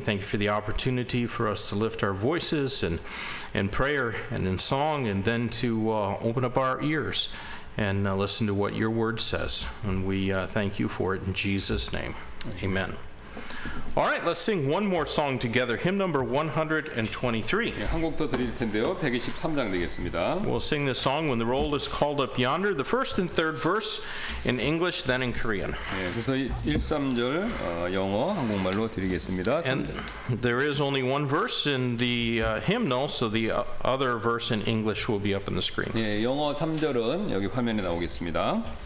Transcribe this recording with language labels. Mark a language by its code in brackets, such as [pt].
[en] Thank you for the opportunity for us to lift our voices in prayer and in song, and then to open up our ears and listen to what your word says. And we thank you for it in Jesus' name. Amen. All right, let's sing one more song together. Hymn number 123. [ko] 네, 한 곡 더 드릴 텐데요. 123장 되겠습니다. [en] We'll sing the song When the Roll is Called Up Yonder, the first and third verse in English, then in Korean. [ko] 네, 그래서 1, 3절 영어 한국말로 드리겠습니다. [en] And there is only one verse in the hymnal, so the other verse in English will be up on the screen. [ko] 네, 영어 3절은 여기 화면에 나오겠습니다.